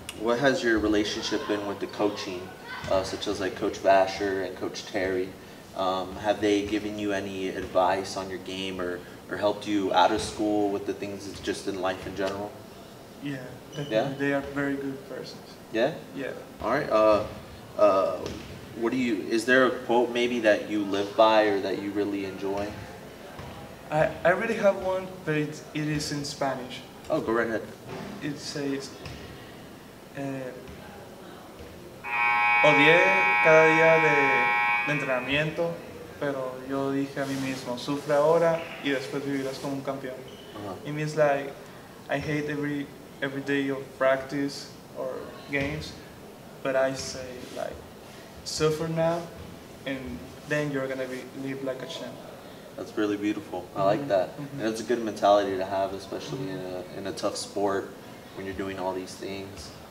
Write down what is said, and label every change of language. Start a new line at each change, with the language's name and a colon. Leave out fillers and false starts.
English: What has your relationship been with the coaching? Such as like Coach Basher and Coach Terry, have they given you any advice on your game or helped you out of school with the things just in life in general? Yeah. They are very good persons. Yeah? Yeah. All right. Is there a quote maybe that you live by or that you really enjoy? I really have one, but it is in Spanish. Oh, go right ahead.
Spanish: It says, odié cada día de entrenamiento, pero yo dije a mí mismo, sufre ahora y después vivirás como un campeón. Uh-huh.
English: It means like, I hate every day of practice or games, but I say like, suffer now and then you're going to live like a champ. That's really beautiful. I like that. Mm-hmm. And it's a good mentality to have, especially in a tough sport when you're doing all these things.